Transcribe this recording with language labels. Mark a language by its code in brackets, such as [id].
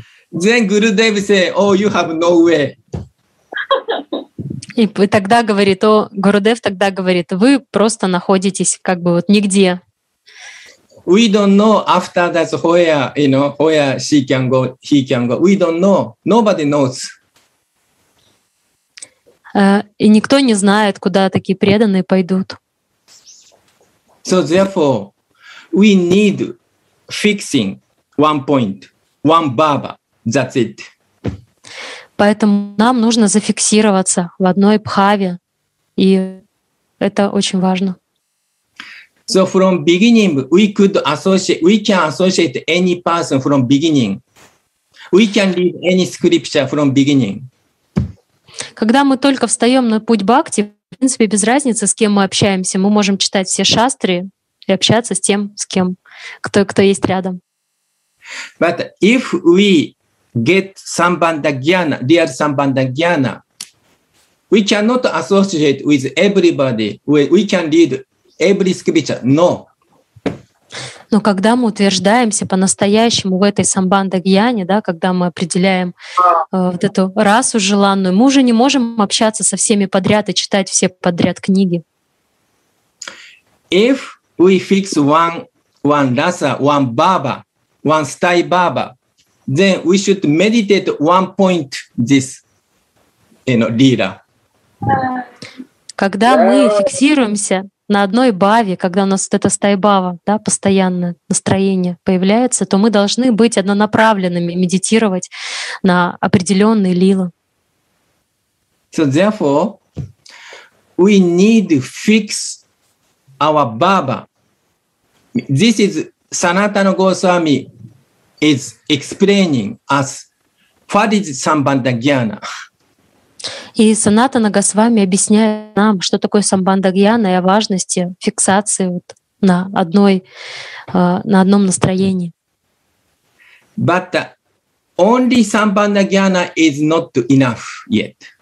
[en] Then Gurudev say, oh, you have no way. [ru] И тогда говорит, о, Гурудев тогда говорит, вы просто находитесь как бы вот нигде. [en] We don't know after that where, you know, where she can go, he can go. We don't know. Nobody knows. [ru] И никто не знает, куда такие преданные пойдут. [en] So therefore, we need fixing one point, one baba. That's it. [ru] Поэтому нам нужно зафиксироваться в одной бхаве, и это очень важно. [en] So from beginning we could associate, we can associate any person from beginning. We can read any scripture from beginning. [ru] Когда мы только встаем на путь бхакти, в принципе без разницы, с кем мы общаемся, мы можем читать все шастры и общаться с тем, с кем, кто есть рядом. [en] But if we get sambandha jnana, real sambandha jnana, we cannot associate with everybody. We can read every scripture, no. [ru] Но когда мы утверждаемся по-настоящему в этой самбанда-гьяне, да, когда мы определяем вот эту расу желанную, мы уже не можем общаться со всеми подряд и читать все подряд книги. [en] If we fix one rasa, one baba, one stai baba, then we should meditate one point this, you know, lila. [ru] Когда мы фиксируемся на одной баве, когда у нас вот эта стайбава, да, постоянное настроение появляется, то мы должны быть однонаправленными, медитировать на определенные лилы. [en] So therefore, we need to fix our baba. This is Sanatana Goswami is explaining us what is sambandha jnana. [ru] И Санатана Госвами объясняет нам, что такое самбанда гьяна и о важности фиксации вот на одной, на одном настроении. [en] But only самбанда гьяна is not enough yet.